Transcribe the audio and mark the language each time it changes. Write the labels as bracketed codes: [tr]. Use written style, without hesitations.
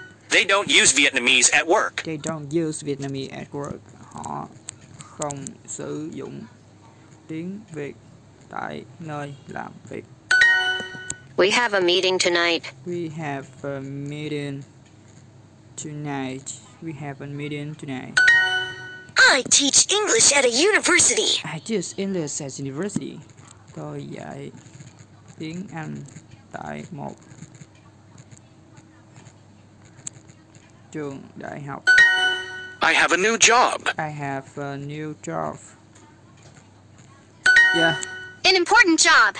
[en] They don't use Vietnamese at work. They don't use Vietnamese at work. [vi] Họ không sử dụng tiếng Việt tại nơi làm việc. [en] We have a meeting tonight. We have a meeting tonight. We have a meeting tonight. I teach English at a university. I teach English at university. [vi] Tôi dạy tiếng Anh tại một trường đại học. [en] I have a new job. I have a new job. Yeah. An important job.